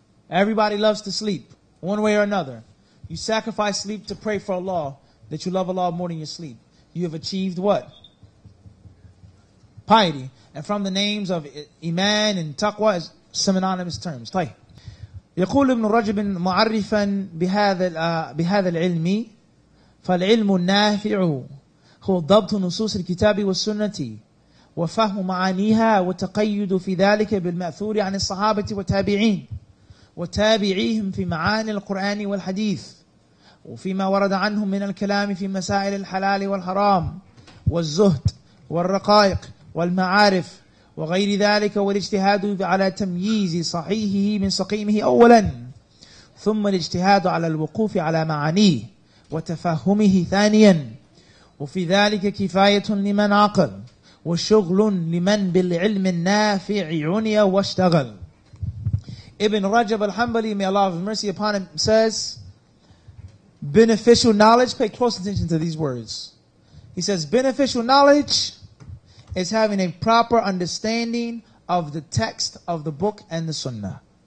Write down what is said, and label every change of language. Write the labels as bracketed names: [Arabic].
[English] Everybody loves to sleep, one way or another. You sacrifice sleep to pray for Allah, that you love Allah more than your sleep. You have achieved what? Piety. And from the names of iman and taqwa is synonymous terms. [Arabic] طيب. يقول ابن رجب معرفا بهذا العلم فالعلم النافع هو ضبط نصوص الكتاب والسنة وفهم معانيها وتقيد في ذلك بالمأثور عن الصحابة والتابعين وتابعيهم في معاني القرآن والحديث وفيما ورد عنهم من الكلام في مسائل الحلال والحرام والزهد والرقائق والمعارف وغير ذلك والاجتهاد على تمييز صحيحه من سقيمه أولا ثم الاجتهاد على الوقوف على معانيه وتفهمه ثانيا وفي ذلك كفاية لمن عقل وشغل لمن بالعلم النافع عني واشتغل. [English] Ibn Rajab al-Hanbali, may Allah have mercy upon him, says, beneficial knowledge, pay close attention to these words. He says, beneficial knowledge is having a proper understanding of the text of the book and the sunnah.